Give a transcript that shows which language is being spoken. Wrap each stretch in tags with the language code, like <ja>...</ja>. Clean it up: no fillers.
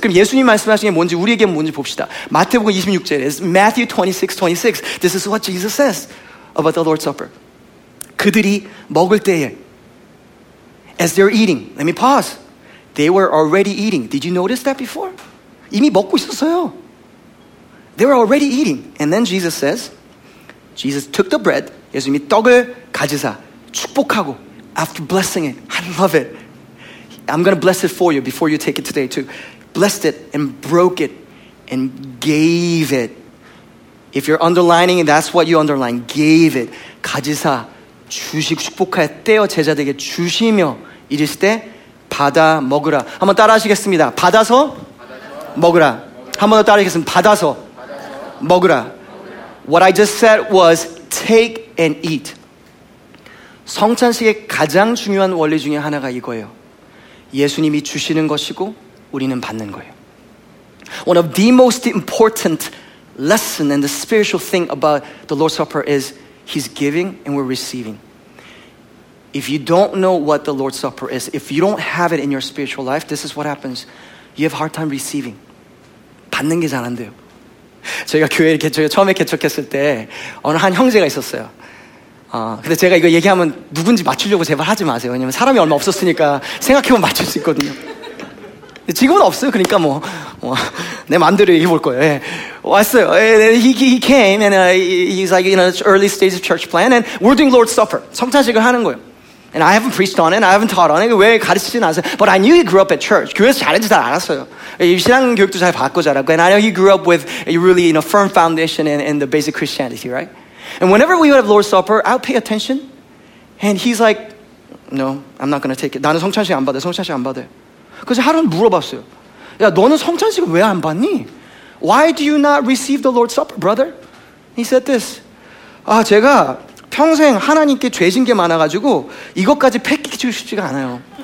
<ko>그럼 예수님 말씀하신 게 뭔지 우리에게 뭔지 봅시다. 마태복음 26절에 Matthew 26:26.</ko> <en>This is what Jesus says about the Lord's Supper.</en> <ko>그들이 먹을 때에</ko> <en>as they're eating. Let me pause. They were already eating. Did you notice that before?</en> <ko>이미 먹고 있었어요.</ko> <en>They were already eating. And then Jesus says, Jesus took the bread.</en> <ko>예수님이 떡을 가지사 축복하고</ko> <en>after blessing it. I love it. I'm going to bless it for you before you take it today too. Blessed it and broke it and gave it. If you're underlining it, that's what you underline. Gave it.</en> <ko>가지사 주시고 축복하여 떼어 제자들에게 주시며 이르시되 받아 먹으라. 한번 따라 하시겠습니다. 받아서 먹으라. 한번 더 따라 하시겠습니다. 받아서 먹으라. What I just said was take and eat. 성찬식의 가장 중요한 원리 중에 하나가 이거예요. 예수님이 주시는 것이고 우리는 받는 거예요.</ko> <en>One of the most important lesson and the spiritual thing about the Lord's Supper is He's giving and we're receiving. If you don't know what the Lord's Supper is, if you don't have it in your spiritual life, this is what happens. You have a hard time receiving.</en> <ko>받는 게 잘 안 돼요. 저희가 교회를 처음에 개척했을 때 어느 한 형제가 있었어요. 근데 제가 이거 얘기하면 누군지 맞추려고 제발 하지 마세요. 왜냐면 사람이 얼마 없었으니까 생각해보면 맞출 수 있거든요. 지금은 없어요. 그러니까 내 마음대로 얘기해볼 거예요. 예. 왔어요.</ko> <en>He came and he's like in an early stage of church plan and we're doing Lord's Supper.</en> <ko>성찬식을 하는 거예요.</ko> <en>And I haven't preached on it. And I haven't taught on it.</en> <ko>왜 가르치진 않았어요.</ko> <en>But I knew he grew up at church.</en> <ko>교회에서 잘했는지 잘 알았어요. 신앙 교육도 잘 받고 자랐고.</ko> <en>And I know he grew up with a really you know, firm foundation in the basic Christianity, right? And whenever we would have Lord's Supper, I'd pay attention. And he's like, no, I'm not going to take it.</en> <ko>나는 성찬식 안 받아요. 성찬식 안 받아요. 그래서 하루는 물어봤어요. 야, 너는 성찬식을 왜 안 받니?</ko> <en>Why do you not receive the Lord's Supper, brother? He said this.</en> <ko>아, 제가 평생 하나님께 죄진 게 많아가지고 이것까지 패키지 쉽지가 않아요.</ko>